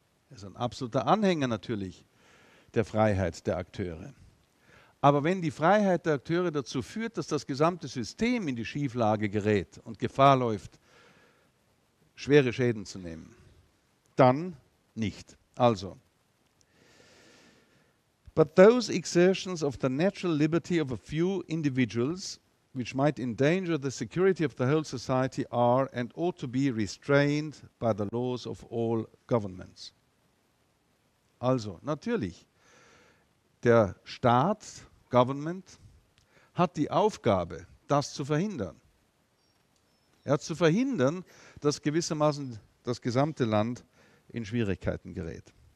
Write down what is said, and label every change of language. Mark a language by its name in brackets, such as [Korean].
[German] Er ist ein absoluter Anhänger natürlich der Freiheit der Akteure. Aber wenn die Freiheit der Akteure dazu führt, dass das gesamte System in die Schieflage gerät und Gefahr läuft, schwere Schäden zu nehmen, dann nicht. [English] Also, but those exertions of the natural liberty of a few individuals, which might endanger the security of the whole society, are and ought to be restrained by the laws of all governments. [German] Also, natürlich, der Staat, Government, hat die Aufgabe, das zu verhindern. Er hat zu verhindern, dass gewissermaßen das gesamte Land in Schwierigkeiten gerät.